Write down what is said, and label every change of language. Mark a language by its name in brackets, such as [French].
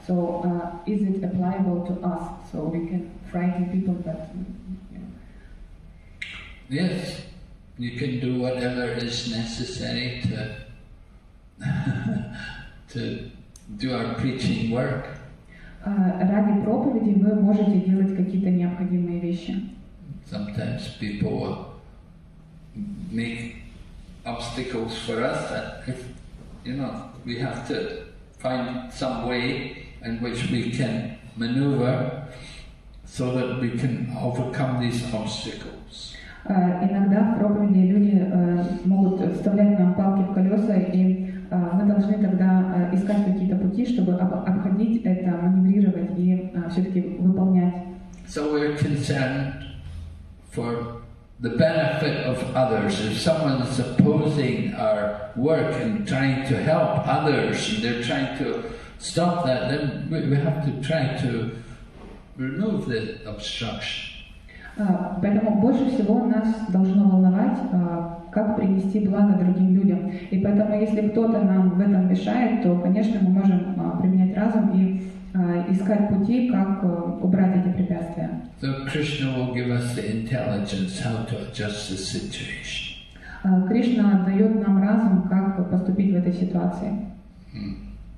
[English] So is it applicable to us? So we can frighten people but, you know. Yes, you can do whatever is necessary to to do our preaching work. [Russian] Ради проповеди вы можете делать какие-то необходимые вещи. [English] Sometimes people will make obstacles for us that if, you know, we have to find some way in which we can maneuver so that we can overcome these obstacles. [Russian] Иногда в проповеди люди могут вставлять нам палки в колеса, и мы должны тогда искать какие-то пути, чтобы обходить это, маневрировать и все-таки выполнять. [English] So we're concerned for the benefit of others. If someone is opposing our work and trying to help others, and they're trying to stop that, then we have to try to remove the obstruction. [Russian] Поэтому больше всего нас должно волновать, как принести благо другим людям. И поэтому, если кто-то нам в этом мешает, то, конечно, мы можем применять разум и искать пути, как убрать эти препятствия. [English] So Krishna will give us the intelligence how to adjust the situation. [Russian] Кришна дает нам разум, как поступить в этой ситуации.